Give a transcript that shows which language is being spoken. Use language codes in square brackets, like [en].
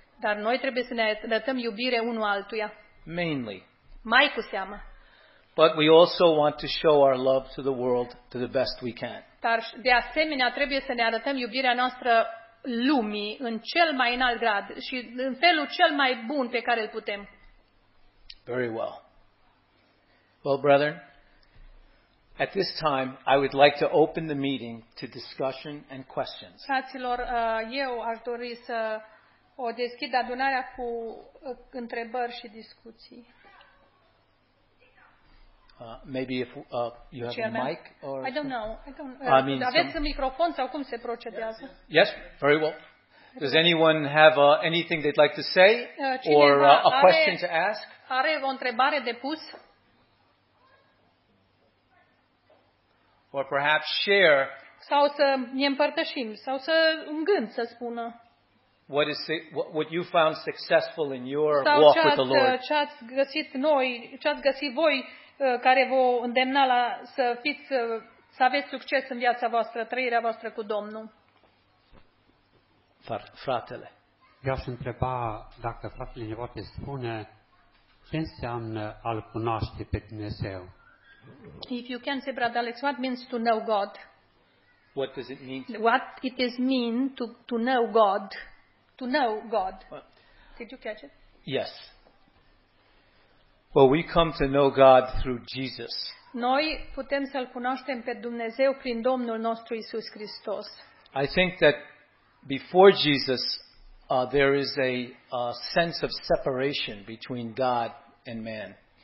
[ro] Dar noi trebuie să ne arătăm iubire unul altuia. [en] Mainly. [ro] Mai cu seamă. [en] But we also want to show our love to the world to the best we can. [ro] Dar de asemenea trebuie să ne arătăm iubirea noastră lumii în cel mai înalt grad și în felul cel mai bun pe care îl putem. [en] Very well. Well, brethren, at this time I would like to open the meeting to discussion and questions. [ro] Fraților, eu aș dori să o deschid adunarea cu întrebări și discuții. [en] Maybe if you have a mic or [ro] a microphone sau cum se procedează? [en] Yes, yes, very well. Does anyone have anything they'd like to say or a question to ask? [ro] Are o întrebare de pus? [en] Or perhaps share. [ro] Sau să ne împărtășim sau să un gând să spună. [en] What is what you found successful in your [ro] sau [en] walk with the Lord? [ro] Ce ați găsit voi care vă îndemna la să fiți să aveți succes în viața voastră, trăirea voastră cu Domnul. Fratele. Eu aș întreba dacă fratele ne poate spune ce înseamnă a-L cunoaște pe Dumnezeu. [en] If you can say, Brother Alex, what means to know God? What does it mean? What it means to know God. To know God. Did you catch it? Yes. Well, we come to know God through Jesus. [ro] Noi putem să-L cunoaștem pe Dumnezeu prin Domnul nostru Iisus Hristos. [en] I think that before Jesus, there is a sense of separation between God and man.